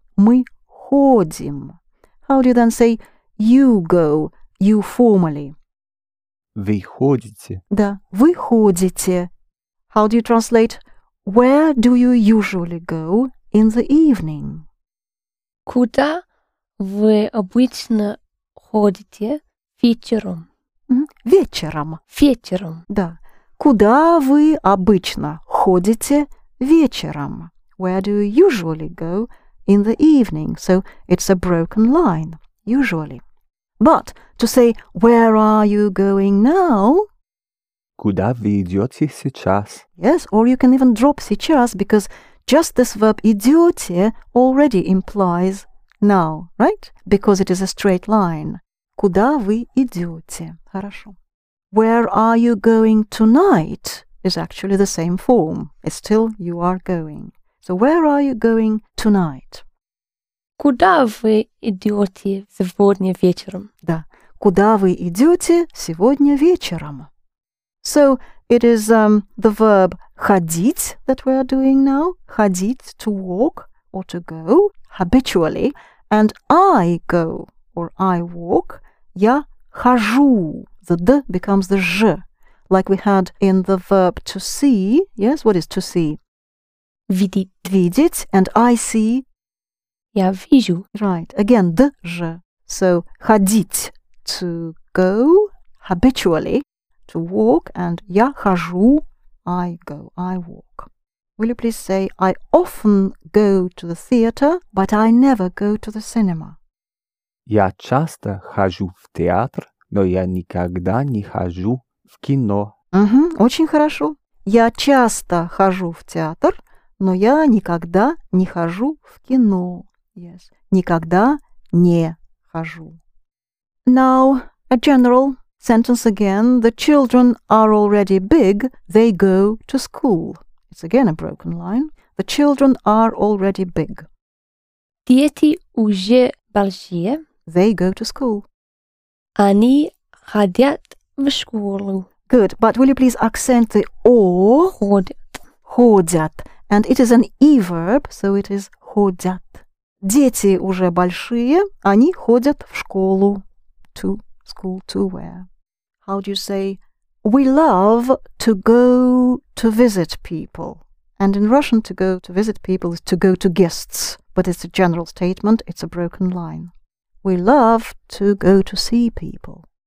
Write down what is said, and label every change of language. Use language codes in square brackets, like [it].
[ru] Мы ходим. [en] How do you then say you go, you formally? [ru] Вы ходите. Да, вы ходите. [en] How do you translate where do you usually go in the evening? [ru] Куда вы обычно ходите вечером? Mm-hmm. Вечером. Вечером. Да. Куда вы обычно ходите вечером? [en] Where do you usually go in the evening? So it's a broken line, usually. But to say, where are you going now? [ru] Куда вы идете сейчас? [en] Yes, or you can even drop сейчас, because just this verb идете already implies now, right? Because it is a straight line. [ru] Куда вы идете? Хорошо. [en] Where are you going tonight is actually the same form. It's still you are going. So where are you going tonight? [ru] Куда вы идете сегодня вечером? Да. Куда вы идете сегодня вечером? [en] So it is the verb ходить that we are doing now. Ходить, to walk or to go habitually. And I go or I walk. [ru] Я хожу. [en] The «д» becomes the «ж», like we had in the verb «to see». Yes, what is «to see»? [ru] «Видеть». [en] «Видеть», and «I see». [ru] «Я вижу». [en] Right, again, «д», «ж». So, «ходить», to go habitually, to walk, and [ru] «я хожу», [en] I go, I walk. Will you please say, I often go to the theater, but I never go to the cinema. [ru] Я часто хожу в театр. Но я никогда не хожу в кино. Угу, очень хорошо. Я часто хожу в театр, но я никогда не хожу в кино. [en] Yes. [ru] Никогда не хожу. [en] Now, a general sentence again. The children are already big. They go to school. It's again a broken line. The children are already big. [ru] Дети уже большие. [en] They go to school. [ru] Они ходят в школу. [en] Good, but will you please accent the о? [ru] Ходят. [en] Ходят. And it is an e verb, so it is ходят. [ru] Дети уже большие, они ходят в школу. [en] To school, to where? How do you say, we love to go to visit people? And in Russian, to go to visit people is to go to guests, but it's a general statement, it's a broken line. We love to go to see people.